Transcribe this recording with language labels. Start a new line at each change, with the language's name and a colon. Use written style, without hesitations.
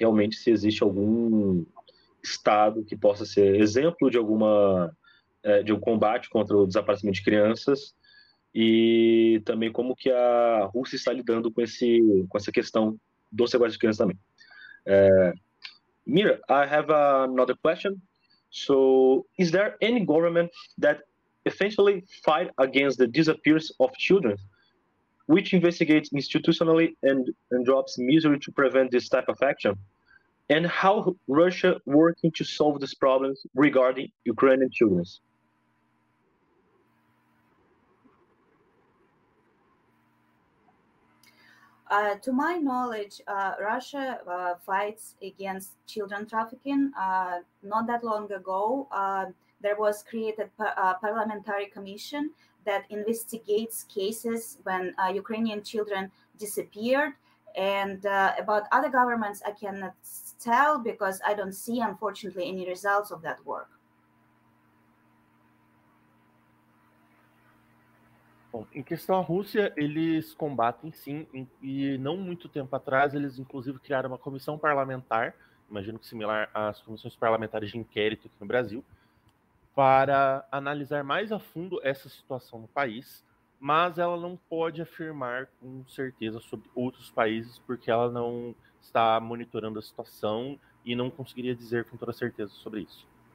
Portuguese: Realmente, se existe algum estado que possa ser exemplo de alguma de um combate contra o desaparecimento de crianças, e também como que a Rússia está lidando com esse com essa questão do sequestro de crianças também.
English: Mira, I have another question. So, is there any government that essentially fight against the disappearance of children, which investigates institutionally and drops misery to prevent this type of action? And how Russia working to solve this problem regarding Ukrainian children? To my knowledge, Russia fights against children trafficking. Not that long ago, there was created a parliamentary commission that investigates cases when Ukrainian children disappeared. And about other governments, I cannot tell because I don't see, unfortunately, any results of that work.
Portuguese: Bom, em questão à Rússia, eles combatem sim, e não muito tempo atrás eles inclusive criaram uma comissão parlamentar, imagino que similar às comissões parlamentares de inquérito aqui no Brasil, para analisar mais a fundo essa situação no país, mas ela não pode afirmar com certeza sobre outros países, porque ela não está monitorando a situação e não conseguiria dizer com toda certeza sobre isso.